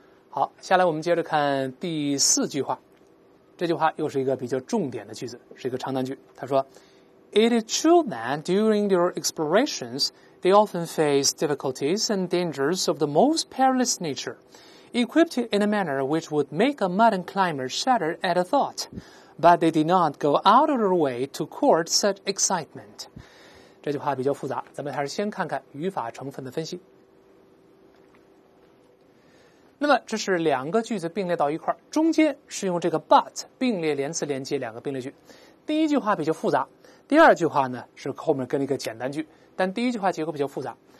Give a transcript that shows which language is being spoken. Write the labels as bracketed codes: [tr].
[zh] 好，下来我们接着看第四句话。这句话又是一个比较重点的句子，是一个长难句。他说 [en] It is true that during their explorations, they often face difficulties and dangers of the most perilous nature, equipped in a manner which would make a modern climber shudder at a thought. But they did not go out of their way to court such excitement. [zh] 这句话比较复杂，咱们还是先看看语法成分的分析。那么这是两个句子并列到一块，中间是用这个 but 并列连词连接两个并列句。第一句话比较复杂，第二句话呢是后面跟了一个简单句，但第一句话结构比较复杂。